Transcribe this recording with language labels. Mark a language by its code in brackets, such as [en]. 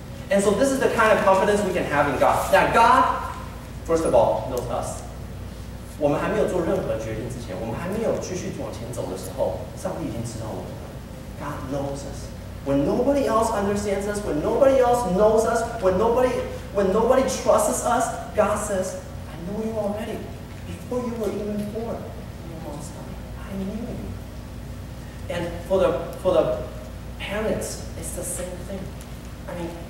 [en] And so this is the kind of confidence we can have in God. That God, first of all, knows us. [zh] 我们还没有做任何决定之前，我们还没有继续往前走的时候，上帝已经知道我们了。 [en] God knows us. When nobody else understands us, when nobody else knows us, when nobody trusts us, God says, I know you already. Before you were even born, you know what's coming. I knew you. And for the parents, it's the same thing. I mean,